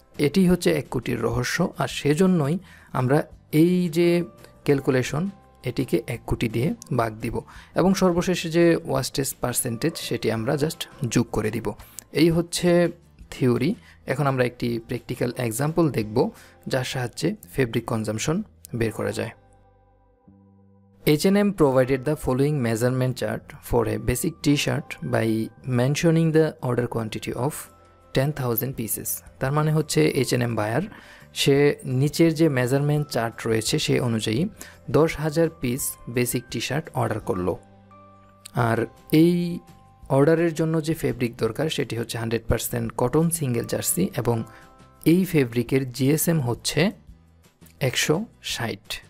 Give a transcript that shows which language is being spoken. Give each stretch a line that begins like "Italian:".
Bangla: এটি হচ্ছে এক কোটির রহস্য, আর সেজন্যই আমরা এই যে ক্যালকুলেশন এটিকে এক কোটি দিয়ে ভাগ দিব এবং সর্বশেষে যে ওয়াস্টেজ পার্সেন্টেজ সেটি আমরা জাস্ট যোগ করে দিব। এই হচ্ছে থিওরি, এখন আমরা একটি প্র্যাকটিক্যাল এক্সাম্পল দেখব যার সাহায্যে ফেব্রিক কনজাম্পশন বের করা যায়।
English: H&M provided the following measurement chart for a basic t-shirt by mentioning the order quantity of 10,000 pieces.
Bangla: তার মানে হচ্ছে H&M buyer, সে নিচের যে মেজারমেন্ট চার্ট রয়েছে সে অনুযায়ী দশ হাজার piece basic T shirt order করলো, আর এই অর্ডারের জন্য যে ফেব্রিক দরকার সেটি হচ্ছে 100% কটন সিঙ্গেল জার্সি এবং এই ফেব্রিকের জিএসএম হচ্ছে 160।